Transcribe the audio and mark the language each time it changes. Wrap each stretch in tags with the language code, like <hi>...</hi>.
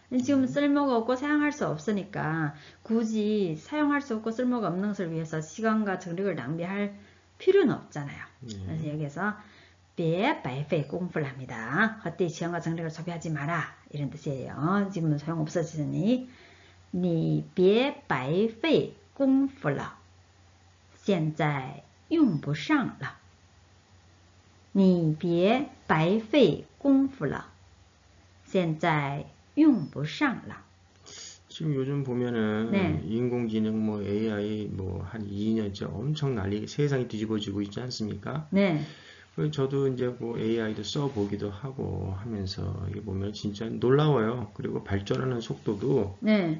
<ko>지금 쓸모가 없고 사용할 수 없으니까 굳이 사용할 수 없고 쓸모가 없는 것을 위해서 시간과 정력을 낭비할 필요는 없잖아요. 그래서 여기서</ko> <zh>别白费功夫</zh> <ko>랍니다. 헛되이 시간과 정력을 소비하지 마라 이런 뜻이에요. 지금은 소용없어지니</ko> <zh>你别白费功夫了现在用不上了你别白费功夫了现在用不上了。</zh> <ko>지금 요즘 네. 보면은 인공지능 뭐 AI 뭐한 2년째 엄청 난리 세상이 뒤집어지고 있지 않습니까? 네. 저도 이제 뭐 AI도 써보기도 하고 하면서 이게 보면 진짜 놀라워요. 그리고 발전하는 속도도 네.</ko>